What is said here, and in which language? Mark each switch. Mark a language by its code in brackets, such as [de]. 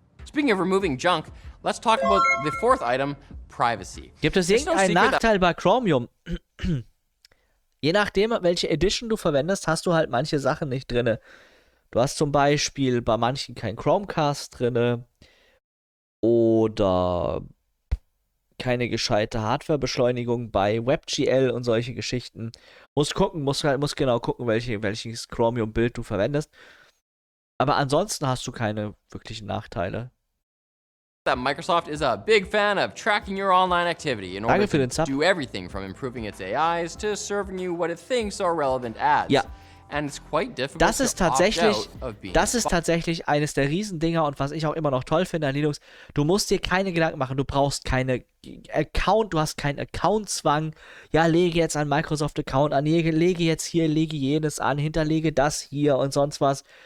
[en] Speaking of removing junk, let's talk about the fourth item, privacy. [de] Gibt es irgendeinen Nachteil bei Chromium? Je nachdem, welche Edition du verwendest, hast du halt manche Sachen nicht drin. Du hast zum Beispiel bei manchen kein Chromecast drin oder keine gescheite Hardwarebeschleunigung bei WebGL und solche Geschichten. Musst gucken, musst genau gucken, welches Chromium-Bild du verwendest. Aber ansonsten hast du keine wirklichen Nachteile. [en] That Microsoft is a big fan of tracking your online activity in [de] Danke [en] order to do everything from improving its AIs to serving you what it thinks are relevant ads. [de] Ja. [en] And it's quite difficult [de] das ist [en] to [de] tatsächlich, [en] opt out of being [de] das ist tatsächlich eines der Riesendinger und was ich auch immer noch toll finde an Linux, du musst dir keine Gedanken machen, du brauchst keine Account, du hast keinen Account-Zwang. Ja, lege jetzt einen Microsoft-Account an, lege jetzt hier, lege jenes an, hinterlege das hier und sonst was.